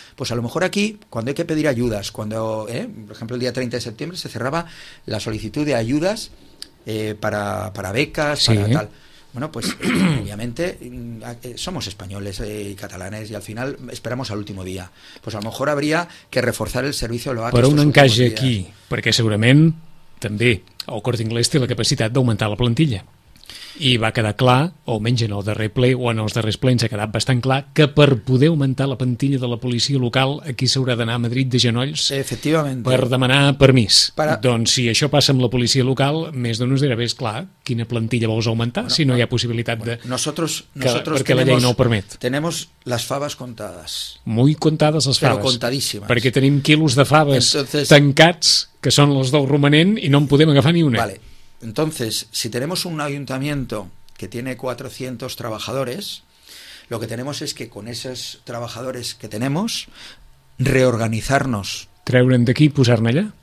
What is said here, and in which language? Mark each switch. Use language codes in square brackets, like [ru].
[es] Pues a lo mejor aquí, cuando hay que pedir ayudas, cuando, por ejemplo, el día 30 de septiembre se cerraba la solicitud de ayudas para becas, sí, para tal. Bueno, pues obviamente somos españoles y catalanes y al final esperamos al último día. Pues a lo mejor habría que reforzar el servicio de lo [ca] Però un encaix aquí, perquè segurament també el Corte Inglés té la capacitat d'augmentar la plantilla. I va quedar clar, o almenys en el darrer ple o en els darrers plens ha quedat bastant clar que per poder augmentar la plantilla de la policia local aquí s'haurà d'anar a Madrid de genolls per demanar permís. Doncs si això passa amb la policia local més d'un us dirà, bé, esclar, quina plantilla vols augmentar bueno, si no hi ha possibilitat bueno, de... [es] Nosotros [ca] perquè [es] tenemos, [ca] la llei no ho permet. [es] Tenemos las faves contadas. Muy contadas las faves. Pero contadíssimes. [ca] Perquè tenim quilos de faves entonces... tancats, que són els del romanent, i no en podem agafar ni una. [es] Vale. Entonces, si tenemos un ayuntamiento que tiene 400 trabajadores, lo que tenemos es que con esos trabajadores que tenemos, reorganizarnos. [ca] ¿Treure'n de aquí y posar-ne allá?